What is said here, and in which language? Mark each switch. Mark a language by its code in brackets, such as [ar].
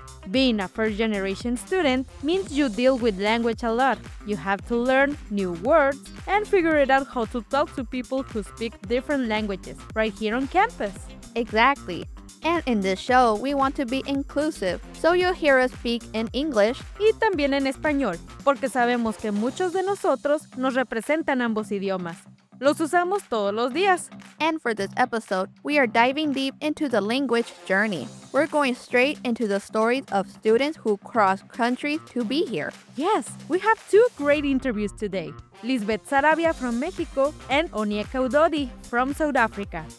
[en] Being a first-generation student means you deal with language a lot. You have to learn new words and figure it out how to talk to people who speak different languages right here on campus. Exactly. And in this show, we want to be inclusive, so you'll hear us speak in English [es] y también en español, porque sabemos que muchos de nosotros nos representan ambos idiomas. Los usamos todos los días. [en] And for this episode, we are diving deep into the language journey. We're going straight into the stories of students who cross countries to be here. Yes, we have two great interviews today. Lisbeth Sarabia from Mexico and Onyeka Udodi from South Africa.